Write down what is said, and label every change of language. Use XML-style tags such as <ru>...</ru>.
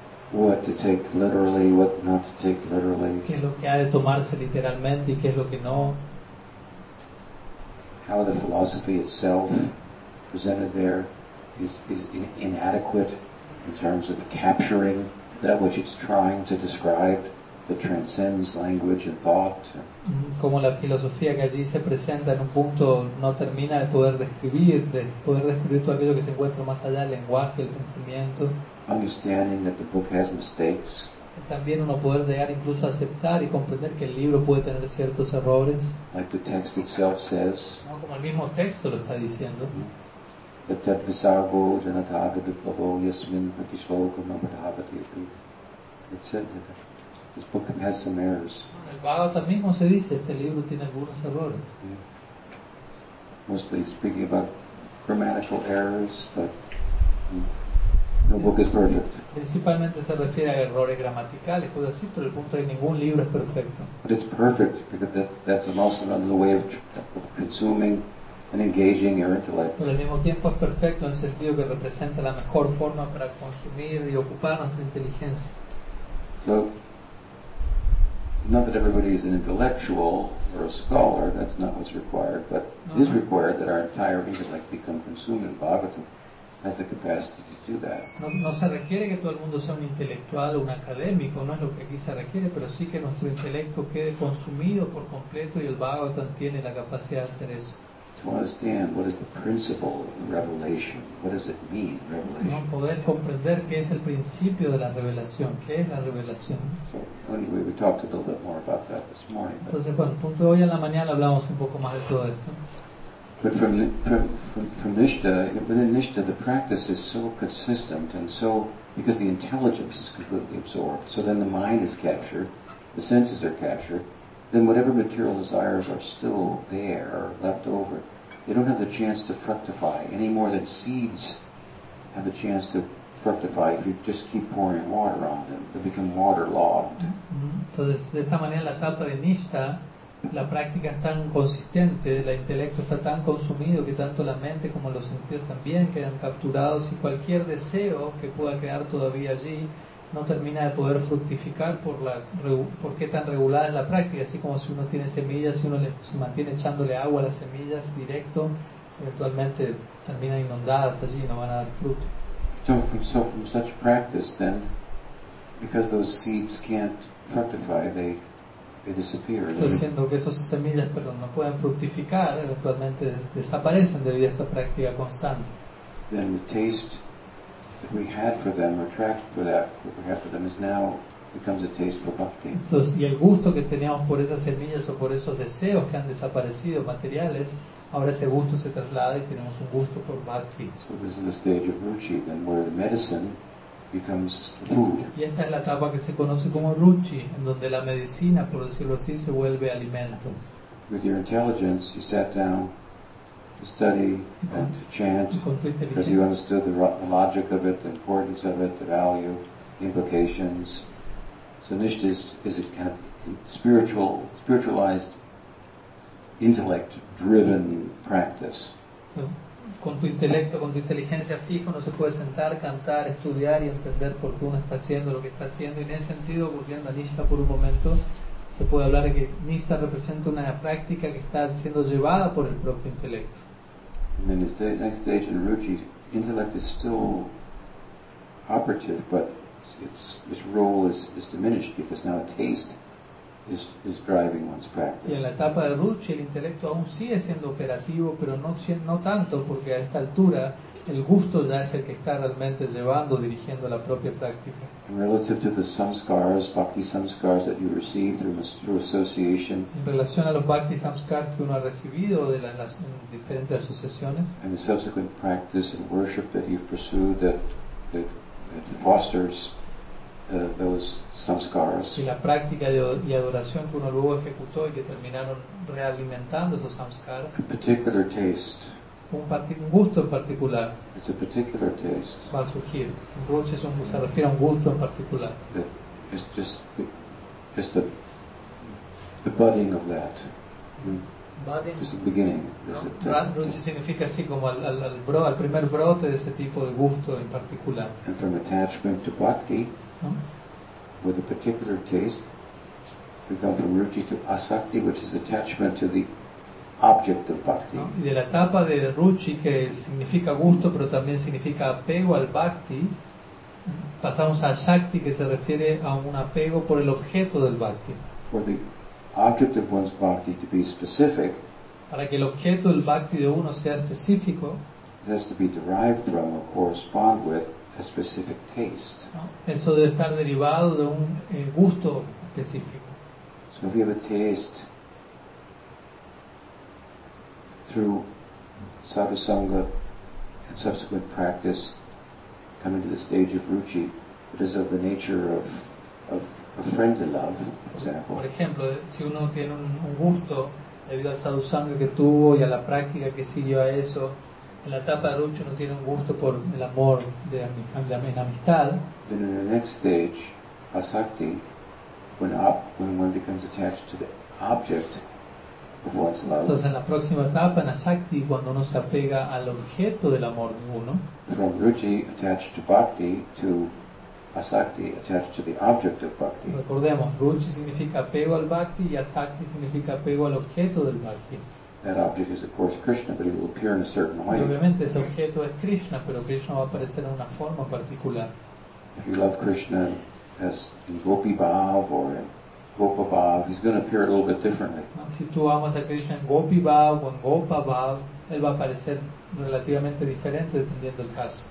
<en>What to take literally, what not to take literally.</en> <es>¿Qué es lo que ha de tomarse literalmente y qué es lo que no?</es> <en>How the philosophy itself presented there is inadequate in terms of capturing that which it's trying to describe. that transcends language and thought.</en> <es>Como la filosofía que allí se presenta en un punto no termina de poder describir, de poder describir todo aquello que se encuentra más allá del lenguaje, el pensamiento.</es> <en>Understanding that the book has mistakes.</en> <es>También uno poder llegar incluso a aceptar y comprender que el libro puede tener ciertos errores.</es> <en>Like the text itself says.</en> <es>No, como el mismo texto lo está diciendo.</es> <en>This book has some errors.</en> <es>El Bhagavata mismo se dice, este libro tiene algunos errores.</es> <en>Yeah. Mostly speaking about grammatical errors, but no book is perfect.</en> <es>Principalmente se refiere a errores gramaticales, puedo decir, pero el punto es ningún libro es perfecto.</es> <en>But it's perfect because that's also another way of consuming and engaging your intellect.</en> <es>Pero al mismo tiempo es perfecto en el sentido que representa la mejor forma para consumir y ocupar nuestra inteligencia.</es> <en>So, not that everybody is an intellectual or a scholar, that's not what's required, but it is required that our entire intellect become consumed, and Bhagavatam has the capacity to do that.</en> <es>No se requiere que todo el mundo sea un intelectual o un académico, no es lo que aquí se requiere, pero sí que nuestro intelecto quede consumido por completo y el Bhagavatam tiene la capacidad de hacer eso.</es> <en>To understand what is the principle of revelation, what does it mean, revelation?</en> <es>No poder comprender qué es el principio de la revelación, qué es la revelación.</es> <en>So, anyway, we talked a little bit more about that this morning.</en> <es>Entonces, bueno, punto de hoy en la mañana hablamos un poco más de todo esto.</es> <en>But from Nishta, within Nishta, the practice is so consistent and so, because the intelligence is completely absorbed, so then the mind is captured, the senses are captured, then whatever material desires are still there, or left over, they don't have the chance to fructify any more than seeds have the chance to fructify if you just keep pouring water on them. They become waterlogged.</en> <es>Entonces, de esta manera, la etapa de Nishta, la práctica es tan consistente, el intelecto está tan consumido que tanto la mente como los sentidos también quedan capturados y cualquier deseo que pueda quedar todavía allí no termina de poder fructificar por qué tan regulada es la práctica, así como si uno tiene semillas, si uno se mantiene echándole agua a las semillas directo, eventualmente terminan inundadas allí y no van a dar fruto.</es> <en>So from such practice then, because those seeds can't fructify, they disappear.</en> <es>Estoy diciendo que esas semillas, pero no pueden fructificar, eventualmente desaparecen debido a esta práctica constante.</es> <en>Then the taste that we had for them, or attraction for that, what we had for them, is now becomes a taste for bhakti.</en> <es>Entonces, y el gusto que teníamos por esas semillas o por esos deseos que han desaparecido materiales, ahora ese gusto se traslada y tenemos un gusto por bhakti.</es> <en>So this is the stage of ruchi, then, where the medicine becomes food.</en> <es>Y esta es la etapa que se conoce como ruchi, en donde la medicina, por decirlo así, se vuelve alimento.</es> <en>With your intelligence, you sat down to study and to chant, because you understood the logic of it, the importance of it, the value, the implications. So Nishta is a kind of spiritualized, intellect-driven practice.</en> <es>Con tu intelecto, con tu inteligencia fija, uno se puede sentar, cantar, estudiar y entender por qué uno está haciendo lo que está haciendo. Y en ese sentido, volviendo a Nishta por un momento, se puede hablar de que Nishta representa una práctica que está siendo llevada por el propio intelecto.</es> <en>And then the next stage in Ruchi, intellect is still operative, but its role is diminished because now taste is driving one's practice.</en> <es>Y en la etapa de Ruchi, el intelecto aún sigue siendo operativo, pero no tanto, porque a esta altura el gusto ya es el que está realmente llevando, dirigiendo la propia práctica.</es> <en>And relative to the samskaras, bhakti samskaras that you receive through association.</en> <es>En relación a los bhakti samskaras que uno ha recibido de las diferentes asociaciones.</es> <en>And the subsequent practice and worship that you've pursued that fosters those samskaras.</en> <es>Y la práctica y adoración que uno luego ejecutó y que terminaron realimentando esos samskaras.</es> <en>A particular taste.</en> <es>Un gusto en particular.</es> <en>It's a particular taste.</en> <es>Va a surgir. Ruchi se refiere a un gusto en particular.</es> <en>It's just it's the budding of that. Budding. It's the beginning.</en> <es>No. Ruchi significa así como al primer brote de ese tipo de gusto en particular.</es> <en>And from attachment to bhakti, with a particular taste, we come from ruchi to asakti, which is attachment to the object of bhakti.</en> <es>Y de la etapa de ruchi, que significa gusto pero también significa apego al bhakti, pasamos a Shakti, que se refiere a un apego por el objeto del Bhakti.</es> <en>For the object of one's Bhakti to be specific,</en> <es>para que el objeto del Bhakti de uno sea específico,</es> <en>it has to be derived from or correspond with a specific taste.</en> <es>Eso debe estar derivado de un gusto específico.</es> <en>So if you have a taste through sadhusanga and subsequent practice coming to the stage of ruchi, it is of the nature of a friendly love, for example.</en> <es>Por ejemplo, si uno tiene un gusto debido al sadhusanga que tuvo y a la práctica que siguió a eso, en la etapa de ruchi uno tiene un gusto por el amor de amistad.</es> <en>Then in the next stage, asakti, when one becomes attached to the object of one's love.</en> <es>Entonces en la próxima etapa, en asakti, cuando uno se apega al objeto del amor de uno.</es> <en>From ruchi attached to bhakti to asakti attached to the object of bhakti.</en> <es>Recordemos, ruchi significa apego al bhakti y asakti significa apego al objeto del bhakti.</es> <en>That object is of course Krishna, but it will appear in a certain way.</en> <es>Obviamente ese objeto es Krishna, pero Krishna va a aparecer en una forma particular.</es> <en>If you love Krishna as in Gopi Bhav or in Gopa Bhav, he's going to appear a little bit differently.</en> <es>Si tú amas a Krishna en Gopi Bhav o en Gopa Bhav, él va a aparecer relativamente diferente dependiendo del caso.</es>